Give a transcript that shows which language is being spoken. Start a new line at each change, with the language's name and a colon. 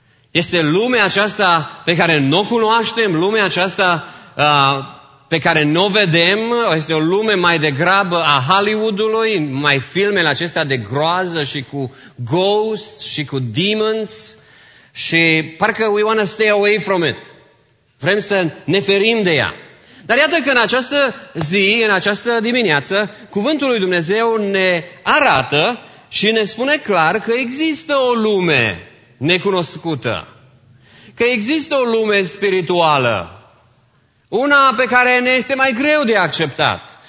Romanian: Este lumea aceasta pe care nu o cunoaștem, lumea aceasta pe care nu o vedem. Este o lume mai degrabă a Hollywoodului, mai filmele acestea de groază și cu ghosts și cu demons.
English: Și parcă we want to stay away from it.
Romanian: Vrem să ne ferim de ea. Dar iată că în această zi, în această dimineață, cuvântul lui Dumnezeu ne arată și ne spune clar că există o lume necunoscută. Că există o lume spirituală. Una pe care ne este mai greu de acceptat.